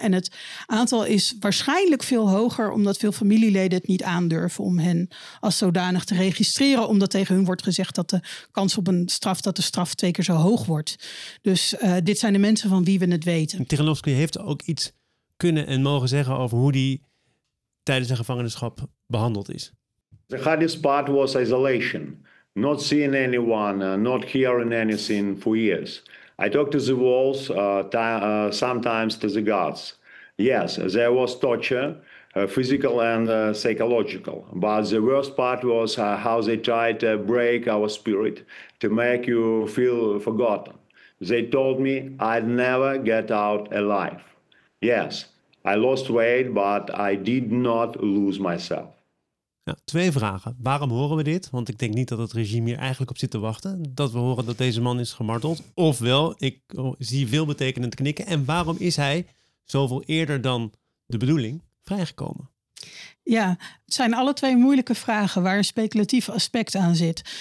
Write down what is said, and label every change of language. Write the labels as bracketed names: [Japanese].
[Dutch] En het aantal is waarschijnlijk veel hoger, omdat veel familieleden het niet aandurven om hen als zodanig te registreren, omdat tegen hun wordt gezegd dat de kans op een straf, dat de straf twee keer zo hoog wordt. Dus dit zijn de mensen van wie we het weten. Tichanovsky heeft ook iets kunnen en mogen zeggen over hoe die tijdens zijn gevangenschap behandeld is. [English] The hardest part was isolation. Not seeing anyone, not hearing anything for years. I talked to the walls, sometimes to the guards. Yes, there was torture, physical and psychological. But the worst part was how they tried to break our spirit, to make you feel forgotten. They told me I'd never get out alive. Yes, I lost weight, but I did not lose myself. [Dutch] Ja, twee vragen. Waarom horen we dit? Want ik denk niet dat het regime hier eigenlijk op zit te wachten. Dat we horen dat deze man is gemarteld. Ofwel, ik zie veelbetekenend knikken. En waarom is hij zoveel eerder dan de bedoeling vrijgekomen? Ja, het zijn alle twee moeilijke vragen waar een speculatief aspect aan zit.